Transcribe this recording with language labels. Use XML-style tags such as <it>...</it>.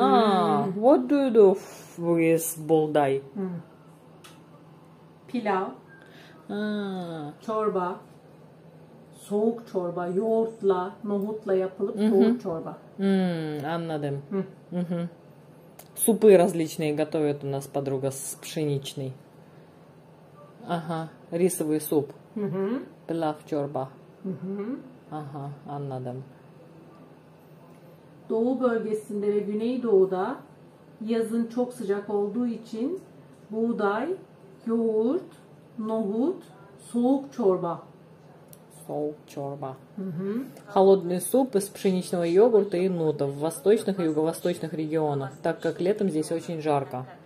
<en>А, what do you do with булдай?</en> <ru>Пилау. А. Чорба.</ru> <tr>Soğuk çorba, yoğurtla, nohutla yapılıp soğuk mm-hmm. çorba. Hmm, anladım. Hmm. Mm-hmm.</tr> <ru>Супы различные готовит у нас подруга с пшеничной. Ага, рисовый суп. Mm-hmm. Пилав чорба. Mm-hmm.</ru> <tr>Ага, anladım. Doğu bölgesinde ve güneydoğuda yazın çok sıcak olduğu için buğday, yoğurt, nohut, soğuk çorba.</tr> <ru>Чорба. Холодный суп из пшеничного йогурта и нута в восточных и юго-восточных регионах, так как летом здесь очень жарко.</ru>